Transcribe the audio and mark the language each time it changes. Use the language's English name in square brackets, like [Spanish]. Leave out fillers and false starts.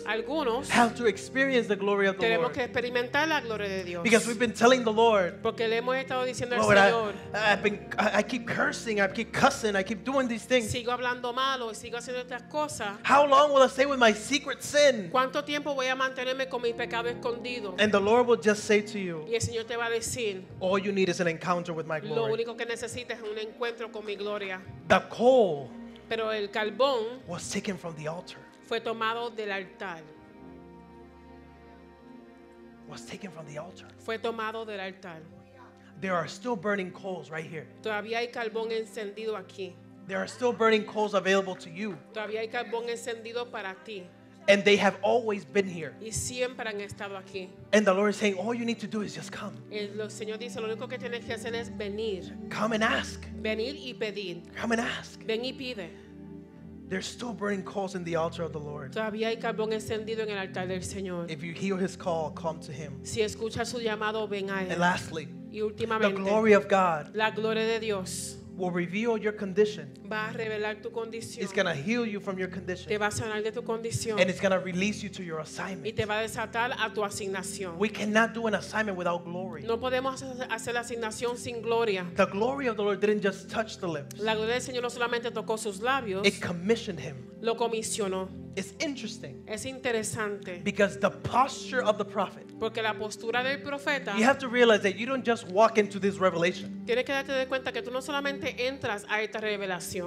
[Spanish] algunos, [English] have to experience the glory of the [Spanish] tenemos [English] Lord. [Spanish] Que experimentar la gloria de Dios. [English] Because we've been telling the Lord, [Spanish] porque le hemos estado diciendo [English] Lord, [Spanish] al Señor, [English] I keep cursing, I keep cussing, I keep doing these things. [Spanish] Sigo hablando malo, sigo haciendo estas cosas. [English] How long will I stay with my secret sin? [Spanish] ¿Cuánto tiempo voy a mantenerme con mi pecado escondido? [English] And the Lord will just say to you, [Spanish] y el Señor te va a decir, [English] all you need is an encounter with my glory. [Spanish] Lo único que necesitas es un encuentro con mi gloria. [English] The coal, [Spanish] pero el carbón, [English] was taken from the altar. [Spanish] Fue tomado del altar. [English] Was taken from the altar. [Spanish] Fue tomado del altar. [English] There are still burning coals right here. [Spanish] Todavía hay carbón encendido aquí. [English] There are still burning coals available to you. [Spanish] Todavía hay carbón encendido para ti. [English] And they have always been here. [Spanish] Y siempre han estado aquí. [English] And the Lord is saying, all you need to do is just come. [Spanish] El Señor dice, lo único que tienes que hacer es venir. [English] Come and ask. [Spanish] Venir y pedir. [English] Come and ask. [Spanish] Ven y pide. [English] There's still burning coals in the altar of the Lord. [Spanish] Todavía hay carbón encendido en el altar del Señor. [English] If you hear his call, come to him. [Spanish] Si escuchas su llamado, ven a él. [English] And lastly, [Spanish] y últimamente, [English] the glory of God. [Spanish] La gloria de Dios. [English] Will reveal your condition. [Spanish] Va a revelar tu condición. [English] It's going to heal you from your condition. [Spanish] Te va a sanar de tu condición. [English] And it's going to release you to your assignment. [Spanish] Y te va a desatar a tu asignación. [English] We cannot do an assignment without glory. [Spanish] No podemos hacer la asignación sin gloria. [English] The glory of the Lord didn't just touch the lips. [Spanish] La gloria del Señor no solamente tocó sus labios. [English] It commissioned him. [Spanish] Lo comisionó. [English] It's interesting. [Spanish] Es interesante. [English] Because the posture of the prophet. [Spanish] Porque la postura del profeta. [English] You have to realize that you don't just walk into this revelation. [Spanish] Tienes que darte de cuenta que tú no solamente entras a esta revelación.